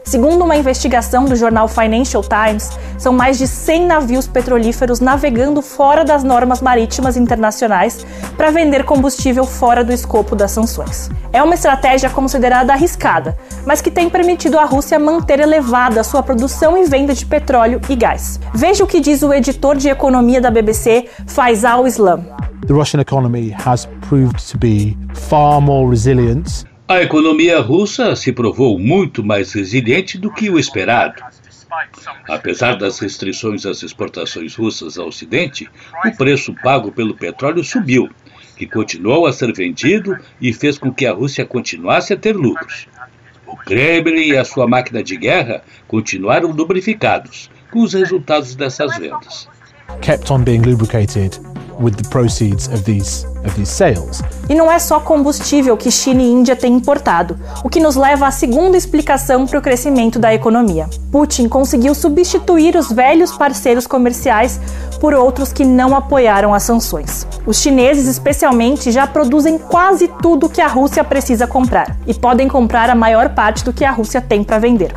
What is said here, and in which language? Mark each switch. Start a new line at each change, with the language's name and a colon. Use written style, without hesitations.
Portuguese: Segundo uma investigação do jornal Financial Times, são mais de 100 navios petrolíferos navegando fora das normas marítimas internacionais para vender combustível fora do escopo das sanções. É uma estratégia considerada arriscada, mas que tem permitido à Rússia manter elevada sua produção e venda de petróleo e gás. Veja o que diz o editor de economia da BBC, Faisal Islam.
English: The Russian economy has proved to be far more resilient.
Portuguese: A economia russa se provou muito mais resiliente do que o esperado. Apesar das restrições às exportações russas ao Ocidente, o preço pago pelo petróleo subiu, que continuou a ser vendido e fez com que a Rússia continuasse a ter lucros. O Kremlin e a sua máquina de guerra continuaram lubrificados com os resultados dessas vendas.
English: Kept on being lubricated with the proceeds of these sales.
Portuguese: E não é só combustível que China e Índia têm importado, o que nos leva à segunda explicação para o crescimento da economia. Putin conseguiu substituir os velhos parceiros comerciais por outros que não apoiaram as sanções. Os chineses, especialmente, já produzem quase tudo que a Rússia precisa comprar e podem comprar a maior parte do que a Rússia tem para vender.